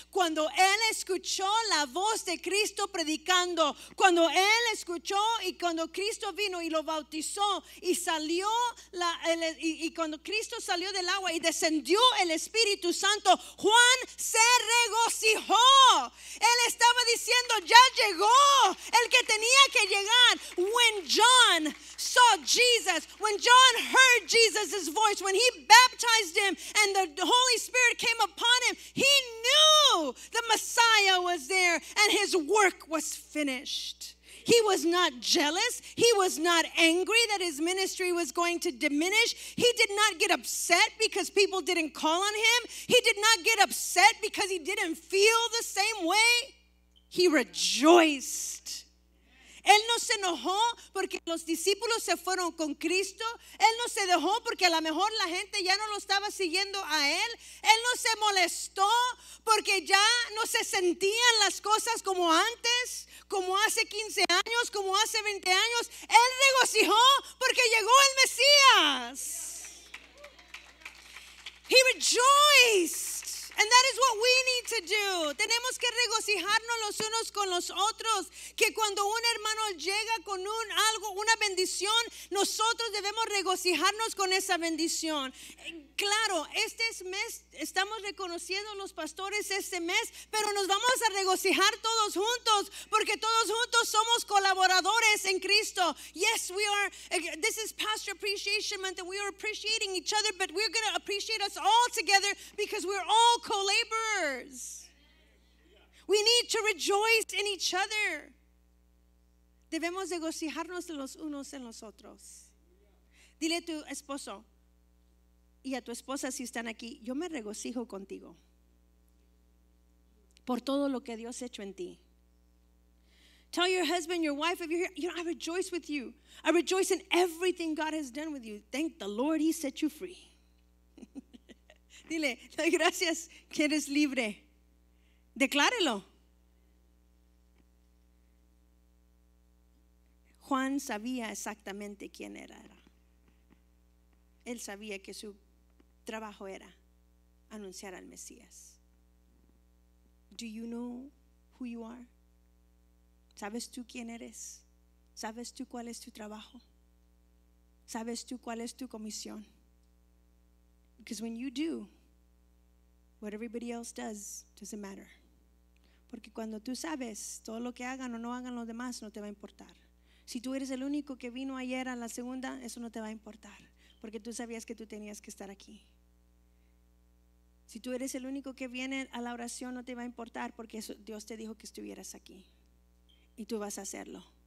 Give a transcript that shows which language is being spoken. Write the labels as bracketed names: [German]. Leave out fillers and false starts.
[Spanish] Cuando él escuchó la voz de Cristo predicando, cuando él escuchó y cuando Cristo vino y lo bautizó y salió y cuando Cristo salió del agua y descendió el Espíritu Santo, Juan se regocijó. Él estaba diciendo, ya llegó el que tenía que llegar. [English] When John saw Jesus, when John heard Jesus' voice, when he baptized him and the Holy Spirit came upon him, he knew the Messiah was there and his work was finished. He was not jealous. He was not angry that his ministry was going to diminish. He did not get upset because people didn't call on him. He did not get upset because he didn't feel the same way. He rejoiced. [Spanish] Él no se enojó porque los discípulos se fueron con Cristo. Él no se dejó porque a lo mejor la gente ya no lo estaba siguiendo a él. Él no se molestó porque ya no se sentían las cosas como antes, como hace 15 años, como hace 20 años. Él regocijó porque llegó el Mesías. [English] He rejoiced. And that is what we need to do. [Spanish] Tenemos que regocijarnos los unos con los otros. Que cuando un hermano llega con un algo, una bendición, nosotros debemos regocijarnos con esa bendición. Claro, este mes estamos reconociendo los pastores este mes, pero nos vamos a regocijar todos juntos, porque todos juntos somos colaboradores en Cristo. [English] Yes, we are. This is Pastor Appreciation Month, and we are appreciating each other, but we're going to appreciate us all together because we're all co-laborers. We need to rejoice in each other. [Spanish] Debemos regocijarnos los unos en los otros. Dile a tu esposo y a tu esposa si están aquí, yo me regocijo contigo por todo lo que Dios ha hecho en ti. [English] Tell your husband, your wife, if you're here, you know, I rejoice with you. I rejoice in everything God has done with you. Thank the Lord he set you free. [Spanish] Dile, doy gracias que eres libre. Declárelo. Juan sabía exactamente quién era. Él sabía que su trabajo era anunciar al Mesías. [English] Do you know who you are? [Spanish] ¿Sabes tú quién eres? ¿Sabes tú cuál es tu trabajo? ¿Sabes tú cuál es tu comisión? [English] Because when you do, what everybody else does doesn't matter. [Spanish] Porque cuando tú sabes, todo lo que hagan o no hagan los demás no te va a importar. Si tú eres el único que vino ayer a la segunda, eso no te va a importar, porque tú sabías que tú tenías que estar aquí. Si tú eres el único que viene a la oración, no te va a importar, porque eso, Dios te dijo que estuvieras aquí y tú vas a hacerlo.